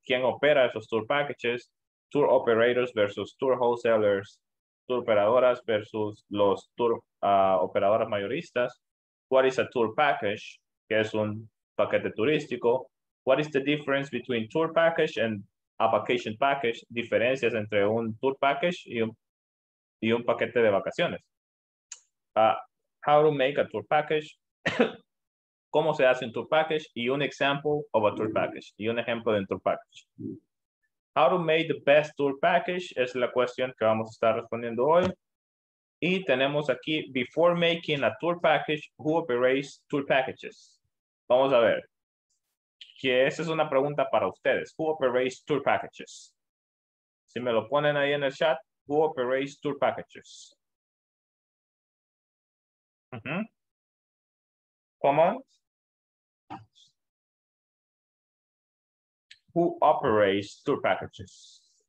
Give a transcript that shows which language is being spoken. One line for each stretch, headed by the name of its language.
Spanish: ¿Quién opera esos tour packages?
English: Tour operators versus tour wholesalers.
Spanish: Tour operadoras versus los tour operadoras mayoristas.
English: What is a tour package?
Spanish: ¿Qué es un paquete turístico?
English: What is the difference between tour package and a vacation package?
Spanish: Diferencias entre un tour package y un paquete de vacaciones.
English: How to make a tour package.
Spanish: ¿Cómo se hace un tour package? Y un
English: example of a
Spanish: tour package. Y un ejemplo de un tour package.
English: How to make the best tour package
Spanish: es la cuestión que vamos a estar respondiendo hoy. Y tenemos aquí,
English: before making a tour package, who operates tour packages?
Spanish: Vamos a ver. Que esa es una pregunta para ustedes.
English: Who operates tour packages?
Spanish: Si me lo ponen ahí en el chat,
English: who operates tour packages? Mm-hmm. Come on. Who operates tour packages?